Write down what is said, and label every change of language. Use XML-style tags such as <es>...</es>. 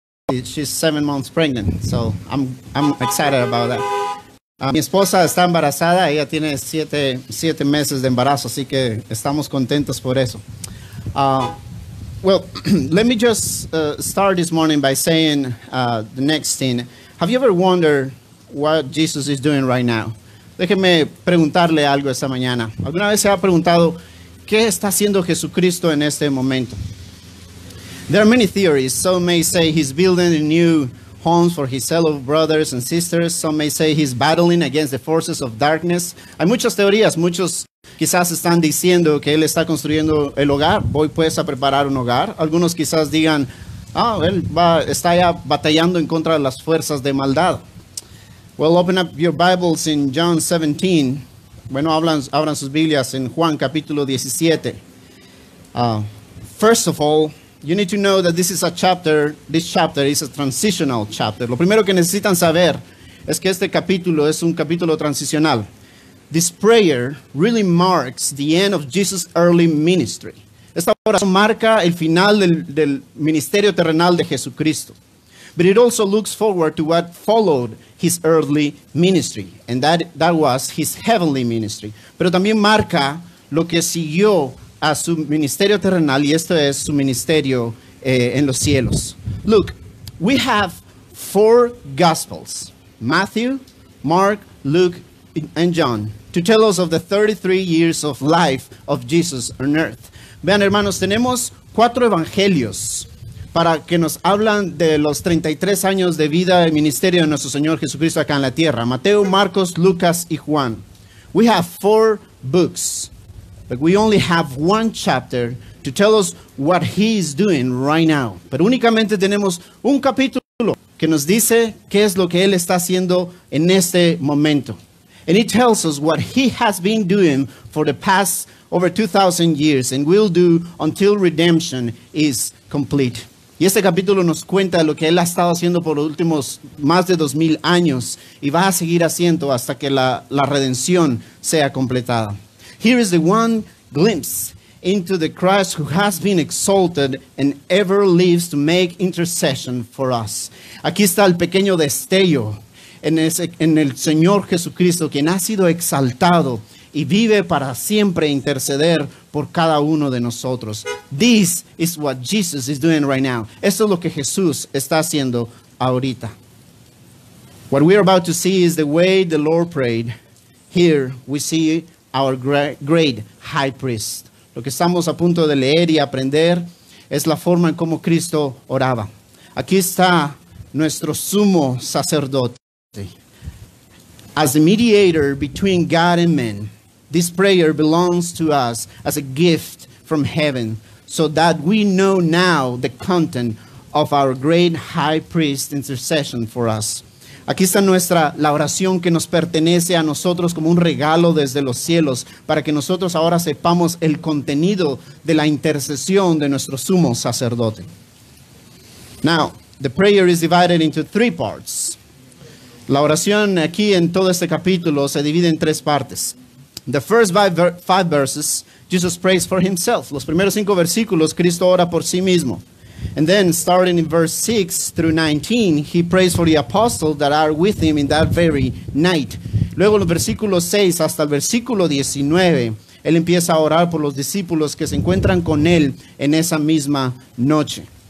<en>She's 7 months pregnant, so I'm excited about that.</en> <es>Mi esposa está embarazada. Ella tiene siete meses de embarazo, así que estamos contentos por eso.</es> <en>Let me just start this morning by saying the next thing. Have you ever wondered what Jesus is doing right now?</en> <es>Déjeme preguntarle algo esta mañana. ¿Alguna vez se ha preguntado qué está haciendo Jesucristo en este momento?</es> <en>There are many theories. Some may say he's building a new homes for his fellow brothers and sisters. Some may say he's battling against the forces of darkness.</en> <es>Hay muchas teorías. Muchos quizás están diciendo que él está construyendo el hogar. Voy pues a preparar un hogar. Algunos quizás digan, él está ya batallando en contra de las fuerzas de maldad.</es> <en>Well, open up your Bibles in John 17.</en> <es>Bueno, abran sus Biblias en Juan capítulo 17.</es> <en>First of all, you need to know that this chapter is a transitional chapter.</en> <es>Lo primero que necesitan saber es que este capítulo es un capítulo transicional.</es> <en>This prayer really marks the end of Jesus' early ministry.</en> <es>Esta oración marca el final del ministerio terrenal de Jesucristo.</es> <en>But it also looks forward to what followed his early ministry. And that was his heavenly ministry.</en> <es>Pero también marca lo que siguió a su ministerio terrenal, y esto es su ministerio en los cielos.</es> <en>Look, we have four Gospels, Matthew, Mark, Luke, and John, to tell us of the 33 years of life of Jesus on earth.</en> <es>Vean, hermanos, tenemos cuatro evangelios para que nos hablan de los 33 años de vida y ministerio de nuestro Señor Jesucristo acá en la tierra. Mateo, Marcos, Lucas y Juan.</es> <en>We have four books, but we only have one chapter to tell us what he is doing right now.</en> <es>Pero únicamente tenemos un capítulo que nos dice qué es lo que él está haciendo en este momento.</es> <en>And it tells us what he has been doing for the past over 2,000 years and will do until redemption is complete.</en> <es>Y este capítulo nos cuenta lo que él ha estado haciendo por los últimos más de 2,000 años y va a seguir haciendo hasta que la redención sea completada.</es> <en>Here is the one glimpse into the Christ who has been exalted and ever lives to make intercession for us.</en> <es>Aquí está el pequeño destello en el Señor Jesucristo, quien ha sido exaltado y vive para siempre interceder por cada uno de nosotros.</es> <en>This is what Jesus is doing right now.</en> <es>Esto es lo que Jesús está haciendo ahorita.</es> <en>What we are about to see is the way the Lord prayed. Here we see our great high priest.</en> <es>Lo que estamos a punto de leer y aprender es la forma en cómo Cristo oraba. Aquí está nuestro sumo sacerdote.</es> <en>As the mediator between God and men, this prayer belongs to us as a gift from heaven, so that we know now the content of our great high priest's intercession for us.</en> <es>Aquí está la oración que nos pertenece a nosotros como un regalo desde los cielos, para que nosotros ahora sepamos el contenido de la intercesión de nuestro sumo sacerdote.</es> <en>Now, the prayer is divided into three parts.</en> <es>La oración aquí en todo este capítulo se divide en tres partes.</es> <en>The first five verses, Jesus prays for himself.</en> <es>Los primeros cinco versículos, Cristo ora por sí mismo.</es> <en>And then, starting in verse 6 through 19, he prays for the apostles that are with him in that very night.</en> <es>Luego, los versículos 6 hasta el versículo 19, él empieza a orar por los discípulos que se encuentran con él en esa misma noche.</es>